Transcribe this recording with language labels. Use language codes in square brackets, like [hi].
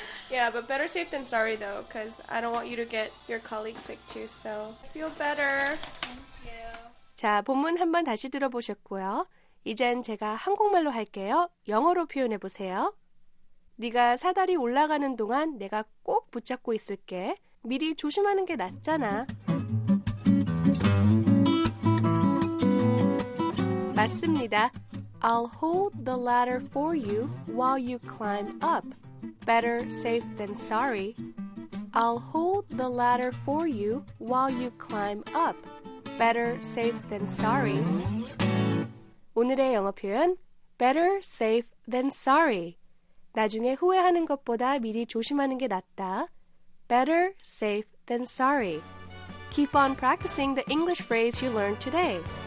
[en] Yeah, but better safe than sorry, though, because I don't want you to get your colleagues sick, too. So feel better. [ko] 자, 본문 한번 다시 들어보셨고요. 이젠 제가 한국말로 할게요. 영어로 표현해 보세요. 네가 사다리 올라가는 동안 내가 꼭 붙잡고 있을게. 미리 조심하는 게 낫잖아. 맞습니다. [en] I'll hold the ladder for you while you climb up. Better safe than sorry. I'll hold the ladder for you while you climb up. Better safe than sorry. [ko] 오늘의 영어 표현, [en] better safe than sorry. [ko] 나중에 후회하는 것보다 미리 조심하는 게 낫다. [en] Better safe than sorry. Keep on practicing the English phrase you learned today.